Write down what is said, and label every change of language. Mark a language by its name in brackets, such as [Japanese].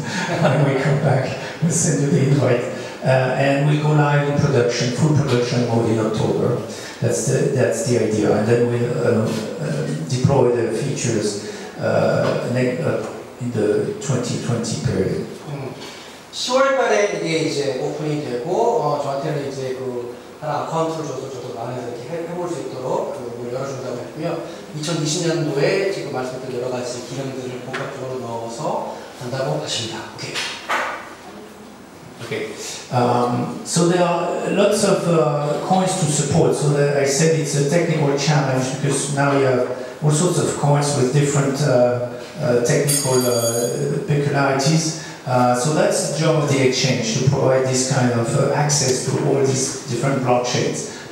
[English] When we come back, we'll send you the invite. And we'll go live in production, full production mode in October. That's the idea, and then we'll deploy the features in the 2020 period. [Korean] 10월달에 이게 이제 오픈이 되고 저한테는 이제 그 하나 아카운트를 줘서 저도 많은 이렇게 해볼 수 있도록 그 열어준다고 했고요. 2020년도에 지금 말씀드린 여러 가지 기능들을 복합적으로 넣어서 한다고 하십니다. 오케이. [English] Okay, so there are lots of coins to support. So that I said it's a technical challenge because now you have all sorts of coins with different technical peculiarities. So that's the job of the exchange, to provide this kind of access to all these different blockchains.